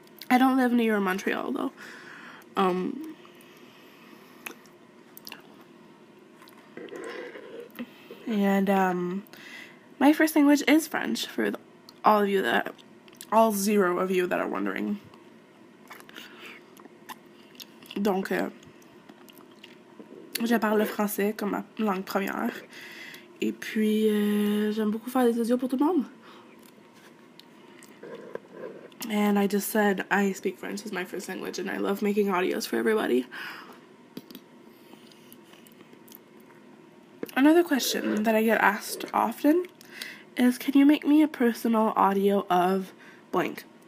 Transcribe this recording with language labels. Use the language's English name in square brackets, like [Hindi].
[English] I don't live near Montreal, though. And my first language is French, for all of you that, all zero of you that are wondering. [French] Donc, je parle français comme ma langue première. Et puis, j'aime beaucoup faire des audios pour tout le monde. [English] And I just said I speak French as my first language, and I love making audios for everybody. Another question that I get asked often is, can you make me a personal audio of blank?